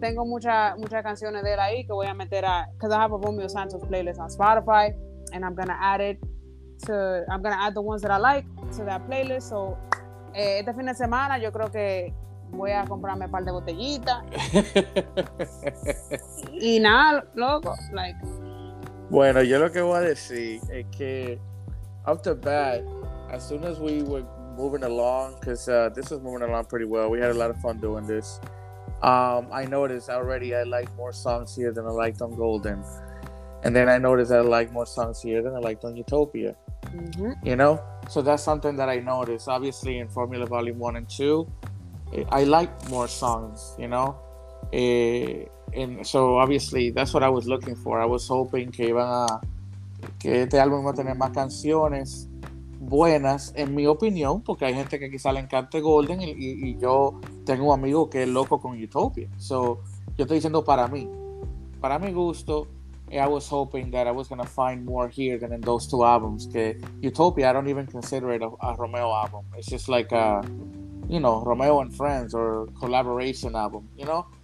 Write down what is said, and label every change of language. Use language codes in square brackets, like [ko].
[es] Tengo muchas canciones de él ahí que voy a meter a, [en] because I have a Romeo Santos playlist on Spotify, and I'm going to add the ones that I like to that playlist. [es] So este fin de semana yo creo que voy a comprarme un par de botellitas. Y nada, loco. Bueno, yo lo que voy a decir es que, [en] off the bat, as soon as we were moving along, because this was moving along pretty well, we had a lot of fun doing this. I noticed already I like more songs here than I liked on Golden. And then I noticed that I like more songs here than I liked on Utopia. Mm-hmm. You know? So that's something that I noticed. Obviously, in Formula Volume 1 and 2, I like more songs, you know, and so obviously that's what I was looking for. I was hoping [es] que este álbum va a tener más canciones buenas, en mi opinión, porque hay gente que quizá le encante Golden y yo tengo un amigo que es loco con Utopia. [en] So [es] yo estoy diciendo para mi gusto, [en] I was hoping that I was going to find more here than in those two albums. Que Utopia, I don't even consider it a Romeo album. It's just like a, you know, Romeo and Friends or collaboration album, you know?